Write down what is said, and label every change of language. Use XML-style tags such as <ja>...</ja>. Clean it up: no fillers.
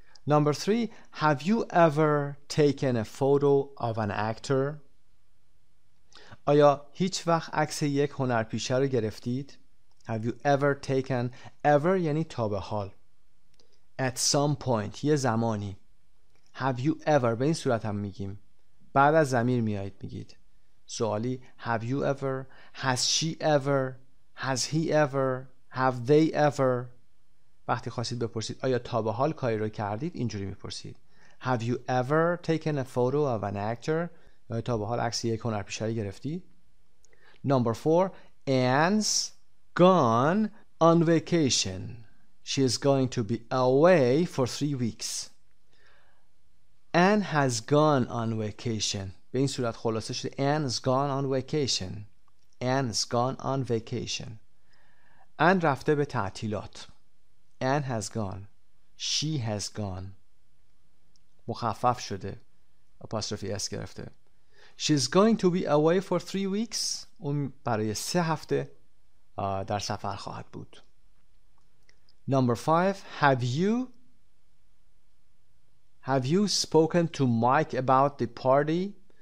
<en>Number three, have you ever taken a photo of an actor؟</en> <fa>آیا هیچ وقت عکس یک هنرپیشه رو گرفتید؟</fa> <en>Have you ever taken،</en> <fa>ever یعنی تا به حال،</fa> <en>at some point</en> <fa>یه زمانی،</fa> <en>have you ever</en> <fa>به این صورت هم میگیم، بعد از ضمیر میایید میگید سوالی.</fa> <en>Have you ever، has she ever، has he ever، have they ever.</en> <fa>وقتی خواستید بپرسید آیا تا به حال کاری رو کردید، اینجوری میپرسید</fa> <en>Have you ever taken a photo of an actor،</en> <fa>آیا تا به حال عکس یک هنرپیشه رو گرفتی.</fa> <en>Number four, Anne's gone on vacation. She is going to be away for 3 weeks. Anne has gone on vacation.</en> <fa>به این صورت خلاصه شده.</fa> <en>Anne's gone on vacation. Anne's gone on vacation.</en> <fa>Anne رفته به تعطیلات.</fa> <en>Anne has gone. She has gone.</en> <fa>مخفف شده. اپاستروفی اس گرفته.</fa> <en>She is going to be away for 3 weeks.</en> <fa>اون برای 3 هفته در سفر خواهد بود.</fa> <en>Number five, have you spoken to Mike about the party?</en>